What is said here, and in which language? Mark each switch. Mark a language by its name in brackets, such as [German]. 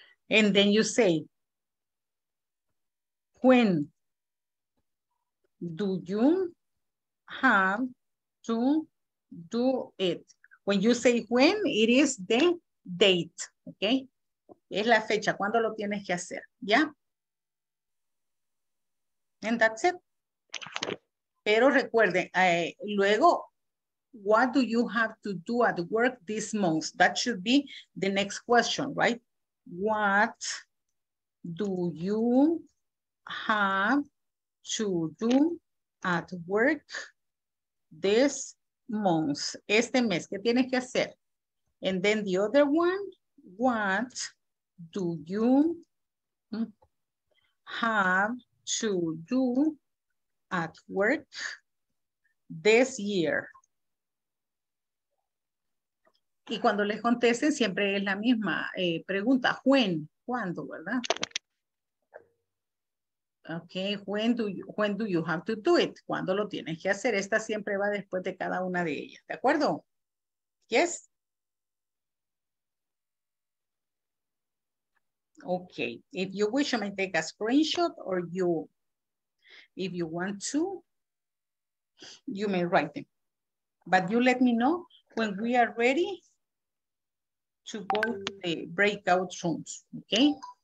[English] And then you say, when do you have to do it? When you say when, it is the date, okay? [Spanish] Es la fecha, ¿cuándo lo tienes que hacer? ¿Ya? [English] And that's it. [Spanish] Pero recuerde, luego, [English] what do you have to do at work this month? That should be the next question, right? What do you have to do at work this month? [Spanish] Este mes, ¿qué tienes que hacer? [English] And then the other one, what do you have to do at work this year? [Spanish] Y cuando les contesten, siempre es la misma pregunta. When, ¿cuándo, verdad? [English] Ok, when do you have to do it? [Spanish] ¿Cuándo lo tienes que hacer? Esta siempre va después de cada una de ellas, ¿de acuerdo? [English] Yes. Ok, if you wish, I may take a screenshot or you, if you want to, you may write them. But you let me know when we are ready to go to the breakout rooms, okay?